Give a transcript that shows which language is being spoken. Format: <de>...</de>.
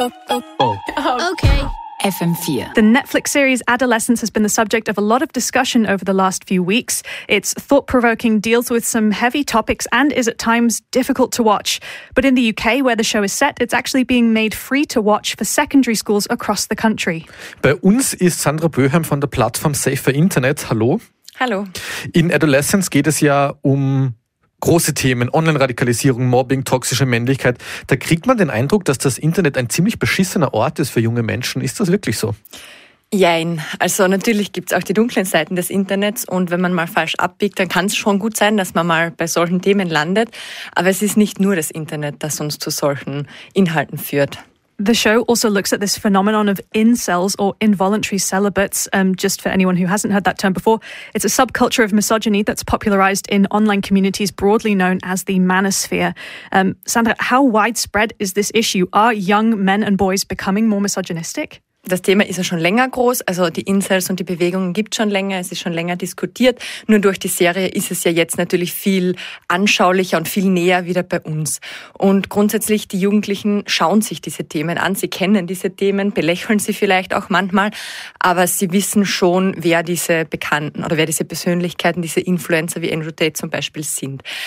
<en>The Netflix series Adolescence has been the subject of a lot of discussion over the last few weeks. It's thought-provoking, deals with some heavy topics, and is at times difficult to watch. But in the UK, where the show is set, it's actually being made free to watch for secondary schools across the country.</en> <de>Bei uns ist Sandra Böhem von der Plattform Safer Internet. Hallo. Hallo. In Adolescence geht es ja um große Themen, Online-Radikalisierung, Mobbing, toxische Männlichkeit. Da kriegt man den Eindruck, dass das Internet ein ziemlich beschissener Ort ist für junge Menschen. Ist das wirklich so? Jein. Also natürlich gibt es auch die dunklen Seiten des Internets. Und wenn man mal falsch abbiegt, dann kann es schon gut sein, dass man mal bei solchen Themen landet. Aber es ist nicht nur das Internet, das uns zu solchen Inhalten führt.</de> <en>The show also looks at this phenomenon of incels or involuntary celibates. Just for anyone who hasn't heard that term before, it's a subculture of misogyny that's popularized in online communities broadly known as the manosphere. Sandra, how widespread is this issue? Are young men and boys becoming more misogynistic?</en> <de>das Thema ist ja schon länger groß, also die Incels und die Bewegungen gibt es schon länger, es ist schon länger diskutiert. Nur durch die Serie ist es ja jetzt natürlich viel anschaulicher und viel näher wieder bei uns. Und grundsätzlich, die Jugendlichen schauen sich diese Themen an, sie kennen diese Themen, belächeln sie vielleicht auch manchmal, aber sie wissen schon, wer diese Bekannten oder wer diese Persönlichkeiten, diese Influencer wie Andrew Tate zum Beispiel sind.</de>